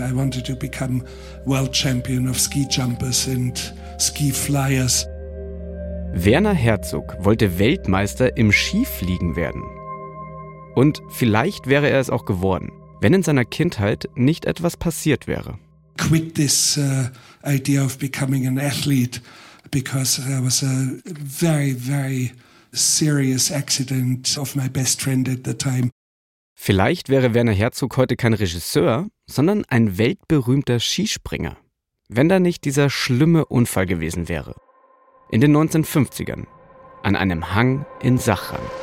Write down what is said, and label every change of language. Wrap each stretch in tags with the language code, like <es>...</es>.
<en>I wanted to become world champion of ski jumpers and ski flyers.</en> <de>Werner Herzog wollte Weltmeister im Skifliegen werden. Und vielleicht wäre er es auch geworden, wenn in seiner Kindheit nicht etwas passiert wäre.</de> <en>Quit this idea of becoming an athlete, because I was a very, very serious accident of my best friend at the time.</en> <de>Vielleicht wäre Werner Herzog heute kein Regisseur, sondern ein weltberühmter Skispringer. Wenn da nicht dieser schlimme Unfall gewesen wäre. In den 1950ern, an einem Hang in Sachrang.</de>